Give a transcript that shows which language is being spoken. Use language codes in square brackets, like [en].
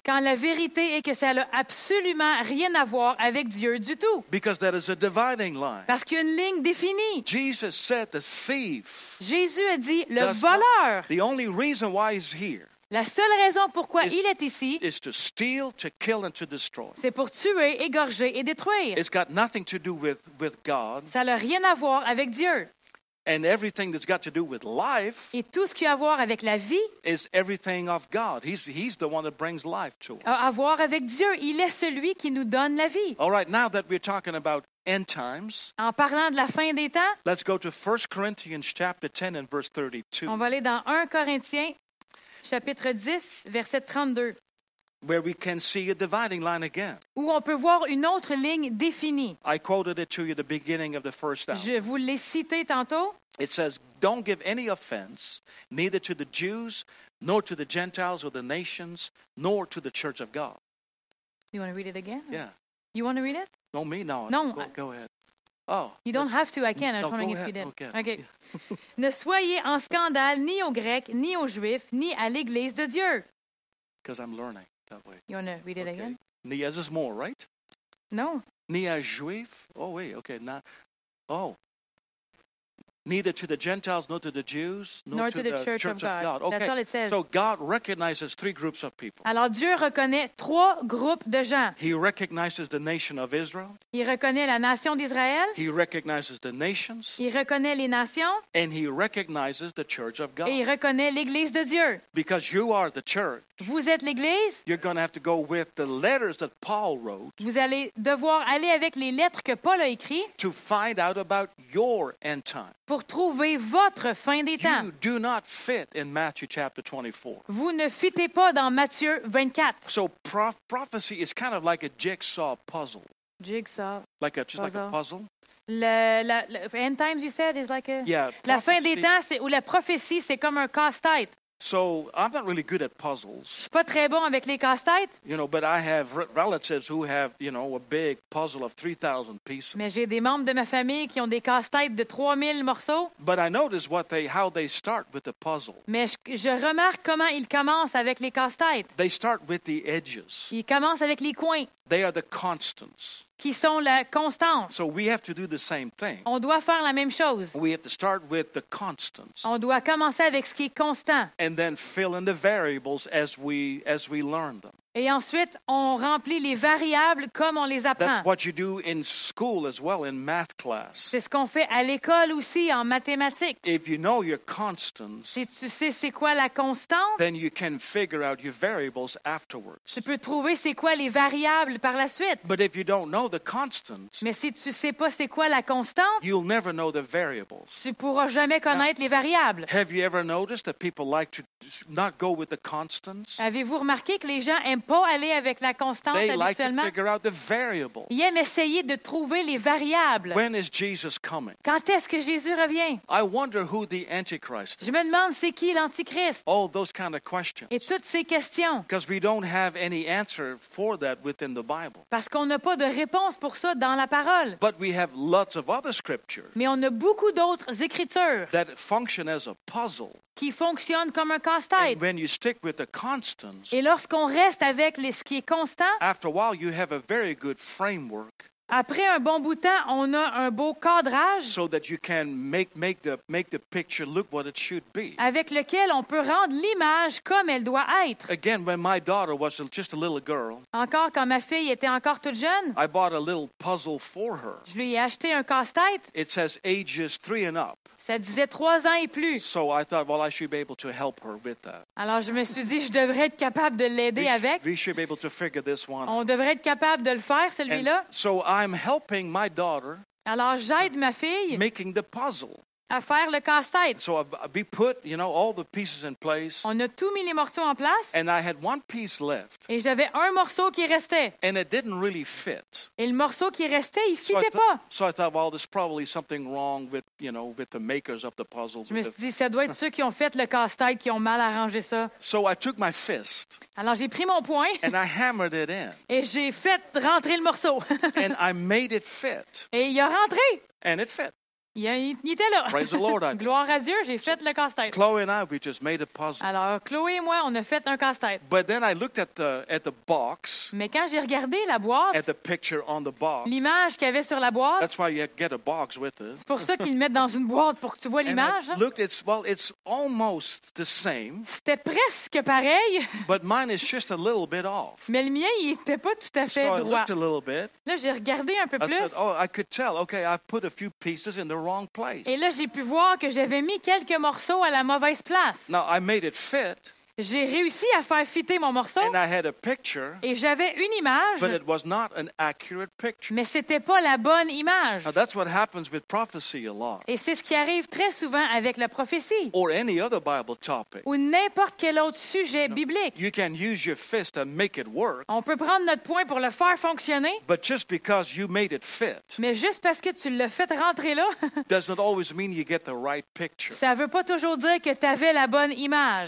[fr] Quand la vérité est que ça n'a absolument rien à voir avec Dieu du tout. [en] Because that is a dividing line. [fr] Parce qu'il y a une ligne définie. [en] Jesus said the thief. [fr] Jésus a dit le voleur. [en] The only reason why he's here. [fr] La seule raison pourquoi il est ici. [en] Is to steal, to kill and to destroy. [fr] C'est pour tuer, égorger et détruire. [en] It's got nothing to do with God. [fr] Ça n'a rien à voir avec Dieu. [en] And everything that's got to do with life. [fr] Et tout ce qui a à voir avec la vie. [en] Is everything of God. He's the one that brings life to us. [fr] À voir avec Dieu. Il est celui qui nous donne la vie. [en] All right, now that we're talking about end times. [fr] En parlant de la fin des temps. [en] Let's go to 1 Corinthians chapter 10 and verse 32. [fr] On va aller dans 1 Corinthiens chapitre 10 verset 32. [en] Where we can see a dividing line again. [fr] Où on peut voir une autre ligne définie. [en] I quoted it to you at the beginning of the first hour. [fr] Je vous l'ai cité tantôt. [en] It says, don't give any offense, neither to the Jews, nor to the Gentiles or the nations, nor to the church of God. You want to read it again? Yeah. You want to read it? No, me? No. No. Go ahead. Oh. You don't have to, I can. I'm wondering if you did. Okay. Okay. Yeah. [fr] Ne soyez en scandale ni aux Grecs, ni aux Juifs, ni à l'Église de Dieu. [en] Because I'm learning. That way. You want to read it again? Niaz is more, right? No. [fr] Niaz juif? [en] Oh, wait, okay. Oh. neither to the Gentiles nor to the Jews, nor to the church of God. Okay. That's all it says. So God recognizes three groups of people. [fr] Alors Dieu reconnaît trois groupes de gens. [en] He recognizes the nation of Israel. [fr] Il reconnaît la nation d'Israël. [en] He recognizes the nations. [fr] Il reconnaît les nations. [en] And he recognizes the church of God. [fr] Et il reconnaît l'église de Dieu. [en] Because you are the church. [fr] Vous êtes l'église. [en] You're going to have to go with the letters that Paul wrote. [fr] Vous allez devoir aller avec les lettres que Paul a écrites. [en] To find out about your end time. [fr] Pour trouver votre fin des temps. [en] You do not fit in Matthew chapter 24. [fr] Vous ne fitez pas dans Matthieu 24. [en] So prophecy is kind of like a jigsaw puzzle. Like a puzzle. The end times you said is like a... Yeah, prophecy. [fr] La fin des temps, c'est, ou la prophétie, c'est comme un casse-tête. [en] So I'm not really good at puzzles. [fr] Je suis pas très bon avec les casse-têtes. [en] You know, but I have relatives who have, you know, a big puzzle of 3,000 pieces. [fr] Mais j'ai des membres de ma famille qui ont des casse-têtes de 3,000 morceaux. [en] But I notice how they start with the puzzle. [fr] Mais je remarque comment ils commencent avec les casse-têtes. [en] They start with the edges. [fr] Ils commencent avec les coins. [en] They are the constants. [fr] Qui sont la constance. [en] So we have to do the same thing. [fr] On doit faire la même chose. [en] We have to start with the constants. [fr] On doit commencer avec ce qui est constant. [en] And then fill in the variables as we learn them. [fr] Et ensuite, on remplit les variables comme on les apprend. [en] That's what you do in school as well, in math class. [fr] C'est ce qu'on fait à l'école aussi, en mathématiques. [en] If you know your constants, [fr] si tu sais c'est quoi la constante, [en] then you can figure out your variables afterwards. [fr] Tu peux trouver c'est quoi les variables par la suite. [en] But if you don't know the constants, [fr] mais si tu sais pas c'est quoi la constante, [en] you'll never know the variables. [fr] Tu pourras jamais connaître les variables. [en] Have you ever noticed that people like to not go with the constants? [fr] Avez-vous remarqué que les gens pas aller avec la constante [en] they [fr] habituellement. [en] Like to out the [fr] ils aiment essayer de trouver les variables. [en] When is Jesus [fr] quand est-ce que Jésus revient? [en] I wonder who the Antichrist is. [fr] Je me demande c'est qui l'Antichrist. [en] All those kind of questions. [fr] Et toutes ces questions. [en] Because we don't have any answer for that within the Bible. [fr] Parce qu'on n'a pas de réponse pour ça dans la parole. [en] But we have lots of other scriptures. [fr] Mais on a beaucoup d'autres écritures. [en] That function as a puzzle. [fr] Qui fonctionnent comme un casse-tête. [en] And when you stick with the constants. [fr] Et lorsqu'on reste avec ce qui est constant. [en] After a while, you have a very good framework. [fr] Après un bon bout de temps, on a un beau cadrage. [en] So that you can make the picture look what it should be. [fr] Avec lequel on peut rendre l'image comme elle doit être. [en] Again, when my daughter was just a little girl. [fr] Encore quand ma fille était encore toute jeune. [en] I bought a little puzzle for her. [fr] Je lui ai acheté un casse-tête. [en] It says ages 3 and up. [fr] Ça disait 3 ans et plus. [en] So I thought, well, I should be able to help her with that. [fr] Alors je me suis dit, je devrais être capable de l'aider avec. [en] We should be able to figure this one. [fr] On devrait être capable de le faire celui-là. [en] And so I'm helping my daughter. [fr] Alors j'aide ma fille. [en] Making the puzzle. [fr] À faire le casse-tête. [en] So we put, you know, all the pieces in place. [fr] On a tout mis les morceaux en place. [en] And I had one piece left. [fr] Et j'avais un morceau qui restait. [en] And it didn't really fit. [fr] Et le morceau qui restait, il fitait pas. [en] So I thought, well, there's probably something wrong with, you know, with the makers of the puzzles. [fr] Je me suis dit, ça doit être ceux qui ont fait le casse-tête qui ont mal arrangé ça. [en] So I took my fist. [fr] Alors j'ai pris mon poing. [en] And I hammered it in. [fr] Et j'ai fait rentrer le morceau. [en] And I made it fit. [fr] Et il a rentré. [en] And it fit. [fr] Il était là. [en] Praise the Lord, [fr] gloire à Dieu, j'ai fait le casse-tête. [en] Chloe and I, we just made a puzzle. [fr] Alors, Chloé et moi, on a fait un casse-tête. [en] But then I looked at the box. [fr] Mais quand j'ai regardé la boîte, [en] at the picture on the box, [fr] l'image qu'il y avait sur la boîte, [en] that's why you get a box with it. [fr] C'est pour ça qu'ils le mettent dans une boîte pour que tu vois l'image. [en] And I looked, it's almost the same. [fr] C'était presque pareil. [en] But mine is just a little bit off. [fr] Mais le mien, il n'était pas tout à fait [en] so [fr] droit. [en] I looked a little bit. [fr] Là, j'ai regardé un peu [en] I [fr] plus. [en] Said, oh, I could tell. Okay, I put a few pieces in the wrong place. [fr] Et là, j'ai pu voir que j'avais mis quelques morceaux à la mauvaise place. [en] Now, I made it fit. [fr] J'ai réussi à faire fitter mon morceau. [en] And I had a picture, [fr] et j'avais une image. [en] But it was not an accurate picture. [fr] Mais ce n'était pas la bonne image. [en] Now, that's what happens with prophecy a lot. [fr] Et c'est ce qui arrive très souvent avec la prophétie. [en] Or any other Bible topic. [fr] Ou n'importe quel autre sujet biblique. [en] You can use your fist to make it work, [fr] on peut prendre notre poing pour le faire fonctionner. [en] But just because you made it fit, [fr] mais juste parce que tu l'as fait rentrer là, [en] does not always mean you get the right picture. [fr] Ça ne veut pas toujours dire que tu avais la bonne image.